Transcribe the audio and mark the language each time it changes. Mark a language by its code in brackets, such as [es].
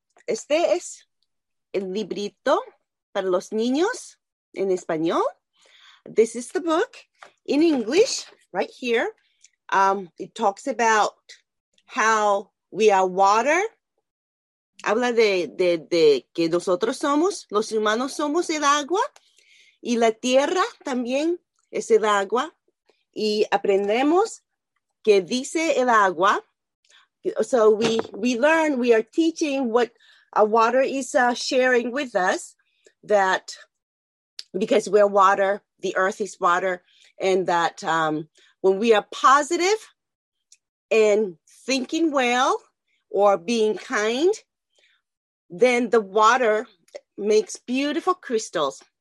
[es] Este es el librito para los niños. [en] In español, this is the book in English right here. It talks about how we are water. [es] Habla de que nosotros somos, los humanos somos el agua, y la tierra también es el agua. Y aprendemos que dice el agua. [en] So we learn, we are teaching what our water is sharing with us, that because we're water, the earth is water, and that when we are positive and thinking well or being kind, then the water makes beautiful crystals.